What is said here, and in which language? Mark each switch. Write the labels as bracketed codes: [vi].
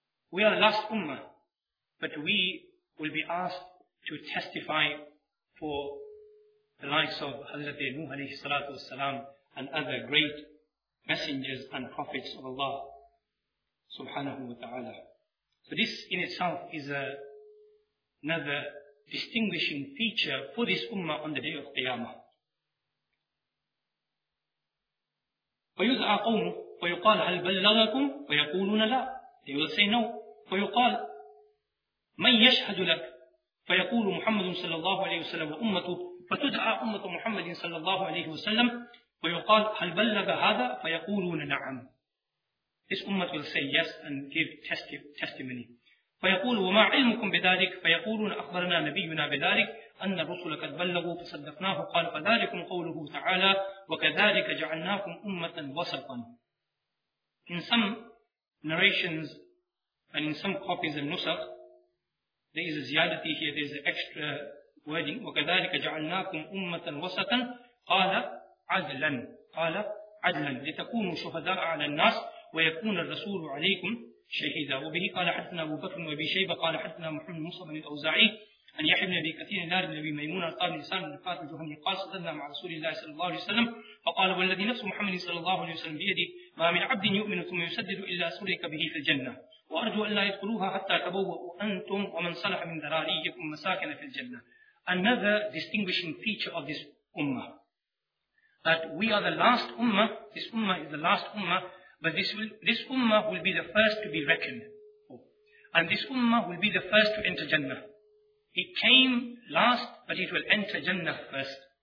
[en] We are the last ummah, but we will be asked to testify for the likes of Hazrat Nuh alayhi salatu wasalam and other great messengers and prophets of Allah subhanahu wa ta'ala. So this in itself is another distinguishing feature for this ummah on the day of Qiyamah. [ar] وَيُذْعَى قَوْمُ وَيُقَالَ هَلْ بَلَّغَكُمْ وَيَقُولُونَ لَا. [en] They will say no. [ar] فيقال من يشهد لك؟ فيقول محمد صلى الله عليه وسلم وأمته، فتدعى أمة محمد صلى الله عليه وسلم، فيقال هل بلغ هذا؟ فيقولون نعم. [en] This ummah will say yes and give testimony. [ar] فيقول وما علمكم بذلك؟ فيقولون أخبرنا نبينا بذلك أن الرسل قد بلغوا فصدقناه. قال فذلكم قوله تعالى وكذلك جعلناكم أمة وسطا. [en] In some narrations and in some copies and nusakh, there is a ziyadati here, there is an extra wording. [ar] وَكَذَلِكَ جَعَلْنَاكُمْ أُمَّةً وَسَطًا قَالَ عَدْلًا قَالَ عَدْلًا لِتَكُونُوا شُهَدَاءَ عَلَى النَّاسِ وَيَكُونَ الرَّسُولُ عَلَيْكُمْ شَهِيدًا. وبه قال حدثنا أبو بكر وأبي شيبة قال حدثنا محمد بن موسى بن الأوزاعي أن يحيى بن أبي كثير النار بن أبي ميمون قال من لسان بن فاتح الجهني قال صدرنا مع رسول الله صلى الله عليه وسلم فقال والذي نفس محمد صلى الله عليه وسلم بيده ما من عبد يؤمن ثم يسدد إلا سرك به في الجنة وأرجو أن لا يدخلوها حتى تبوأوا أنتم ومن صلح من ذراريكم مساكن في الجنة. [en] Another distinguishing feature of this ummah, that we are the last ummah, this ummah is the last ummah, but this ummah will be the first to be reckoned. And this ummah will be the first to enter Jannah. It came last, but it will enter Jannah first.